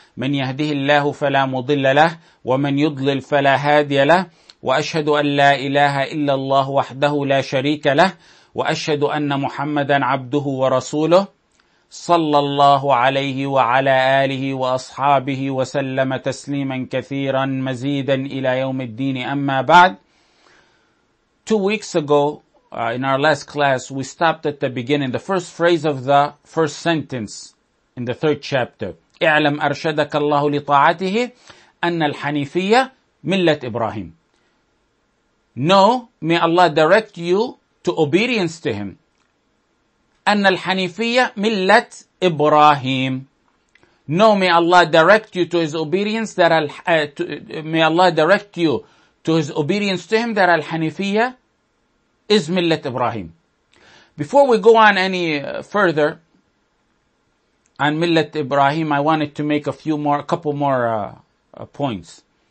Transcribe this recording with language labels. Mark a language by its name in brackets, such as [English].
[Arabic] من يهده الله فلا مضل له، ومن يضلل فلا هادي له. وأشهد أن لا إله إلا الله وحده لا شريك له، وأشهد أن محمدا عبده ورسوله، صلى الله عليه وعلى آله وأصحابه وسلم تسليما كثيرا مزيدا إلى يوم الدين. أما بعد، [English] 2 weeks ago, in our last class, we stopped at the beginning, the first phrase of the first sentence in the third chapter. [Arabic] اعلم أرشدك الله لطاعته أن الحنيفية ملة إبراهيم. [English] Know, may Allah direct you to obedience to Him. [Arabic] أن الحنيفية ملة إبراهيم. [English] Know, may Allah direct you to His obedience, that Al-Hanifiyya is Millat Ibrahim. Before we go on any further on Millat Ibrahim, I wanted to make a couple more points.